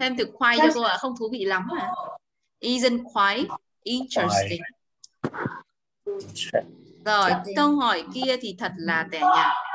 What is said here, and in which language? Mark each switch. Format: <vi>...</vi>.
<vi>Thêm từ quay cho cô ạ, không thú vị lắm à?</vi> <en>Isn't quite interesting.</en> <vi>Rồi, câu hỏi kia thì thật là tẻ nhạt.</vi>